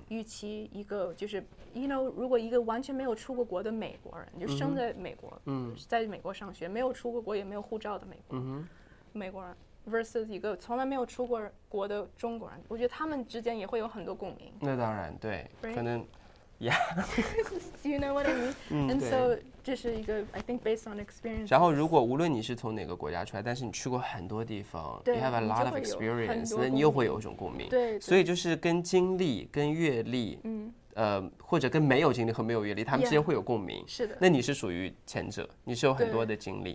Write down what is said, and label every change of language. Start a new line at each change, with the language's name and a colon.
Chinese: 与其一个就是 you know 如果一个完全没有出过国的美国人就生在美国嗯在美国上学没有出过国也没有护照的美国、嗯、美国人 versus 一个从来没有出过国的中国人我觉得他们之间也会有很多共鸣那当然对、
English: right?
Chinese: 可能 yeah
English: do you know what I mean、嗯、 and so
Chinese: 这是一个
English: I think based on experience
Chinese: 然后如果无论你是从哪个国家出来但是你去过很多地方对
English: you have a lot of experience
Chinese: 那你又会有一种共鸣对, 对所以就是跟经历跟阅历嗯或者跟没有经历和没有阅历他们之间会有共鸣、 yeah, 是的那你是属于前者你是有很多的经历